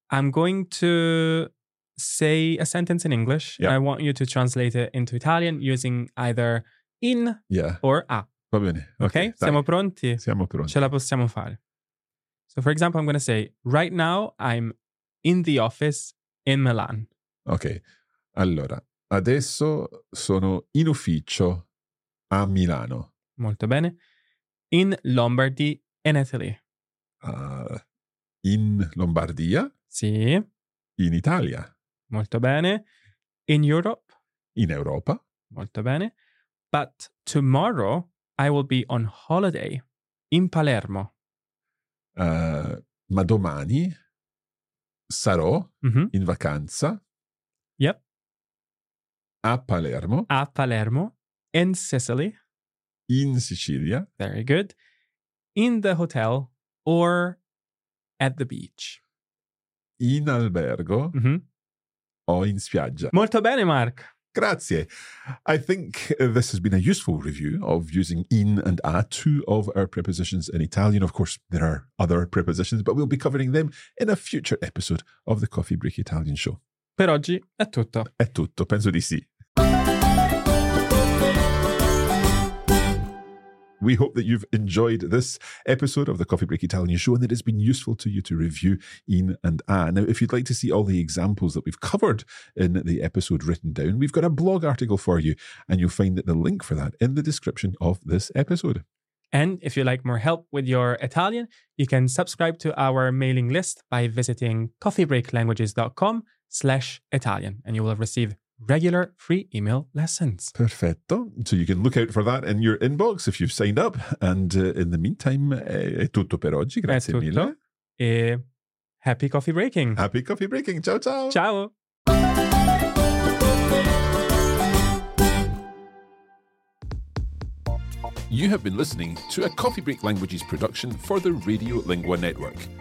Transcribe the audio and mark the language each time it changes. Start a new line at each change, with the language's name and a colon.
English: I'm going to say a sentence in English, yep. And I want you to translate it into Italian using either in or a.
Italian: Va bene. Okay. Siamo pronti? Siamo pronti. Ce la possiamo fare.
English: So, for example, I'm going to say, right now I'm in the office in Milan. Okay.
Italian: Allora, adesso sono in ufficio a Milano. Molto bene.
English: In Lombardy, in Italy.
Italian: In Lombardia? Sì. In Italia? Molto bene.
English: In Europe?
Italian: In Europa? Molto bene.
English: But tomorrow I will be on holiday in Palermo.
Italian: Ma domani sarò in vacanza.
English: Yep.
Italian: A Palermo. A Palermo.
English: In Sicily.
Italian: In Sicilia.
English: Very good. In the hotel or at the beach.
Italian: In albergo o in spiaggia. Molto bene, Mark. Grazie.
English: I think this has been a useful review of using in and a, two of our prepositions in Italian. Of course, there are other prepositions, but we'll be covering them in a future episode of the Coffee Break Italian show.
Italian: Per oggi è tutto. È tutto, penso di sì.
English: We hope that you've enjoyed this episode of the Coffee Break Italian show and that it's been useful to you to review in and a. Now, if you'd like to see all the examples that we've covered in the episode written down, we've got a blog article for you, and you'll find the link for that in the description of this episode. And if you'd like more help with your Italian, you can subscribe to our mailing list by visiting coffeebreaklanguages.com/Italian, and you will receive regular free email lessons.
Italian: Perfetto.
English: So you can look out for that in your inbox if you've signed up. And in the meantime,
Italian: è tutto per oggi. Grazie mille.
English: E happy coffee breaking. Happy coffee breaking.
Italian: Ciao, ciao. Ciao.
English: You have been listening to a Coffee Break Languages production for the Radiolingua Network.